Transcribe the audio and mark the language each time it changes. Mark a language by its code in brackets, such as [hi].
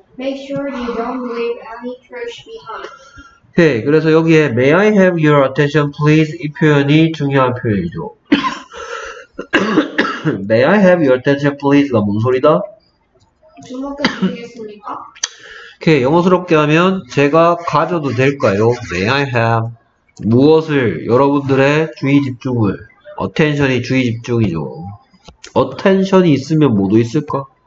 [en] Make sure you don't leave any trash behind. [ko] 네, 그래서 여기에 [en] May I have your attention, please? [ko] 이 표현이 중요한 표현이죠. [en] May I have your attention, please?가 [ko] 뭔 소리다? 주목해주겠습니까? 오케이. 영어스럽게 하면 제가 가져도 될까요? [en] May I have [ko] 무엇을 여러분들의 주의 집중을 attention이 주의 집중이죠. attention이 있으면 뭐도 있을까?